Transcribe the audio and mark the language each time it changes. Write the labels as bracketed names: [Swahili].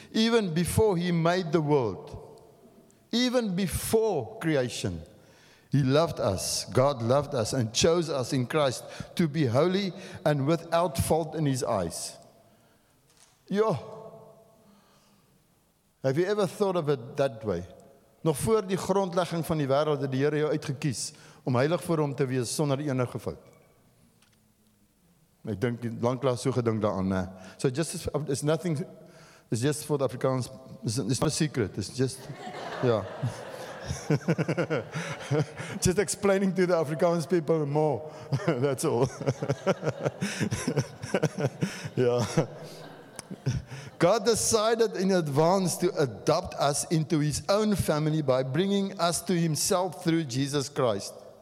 [English] Even before He made the world, even before creation, He loved us. God loved us and chose us in Christ to be holy and without fault in His eyes. Yo, have you ever thought of it that way? [Afrikaans] Nog voor die grondlegging van die wêreld het die Here jou uitgekies om heilig voor Hom te wees sonder enige fout. Ek dink lanklaas so gedink daaraan, hè. [English] So just it's nothing, it's just for the Afrikaans, it's not a secret, it's just, yeah. Just explaining to the Afrikaans people more, that's all. Yeah. God decided in advance to adopt us into His own family by bringing us to Himself through Jesus Christ.